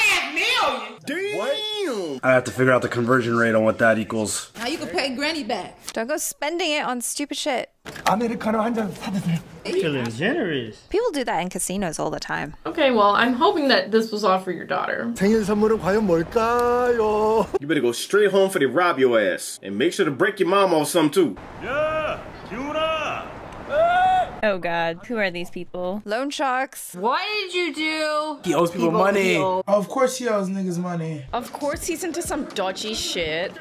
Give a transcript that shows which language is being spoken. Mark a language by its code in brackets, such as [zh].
[en] 4.5 million! Damn! I have to figure out the conversion rate on what that equals. Now you can pay granny back. Don't go spending it on stupid shit. [ko] Americano 한 잔 사드세요. [en] Feeling generous. People do that in casinos all the time. Okay, well, I'm hoping that this was all for your daughter. [ko] 생일 선물은 과연 뭘까요? [en] You better go straight home for the rob your ass. And make sure to break your mom off some too. Yeah! Kyuna! Oh god, who are these people? Loan sharks. What did you do? He owes people money. Deal. Of course he owes niggas money. Of course he's into some dodgy shit.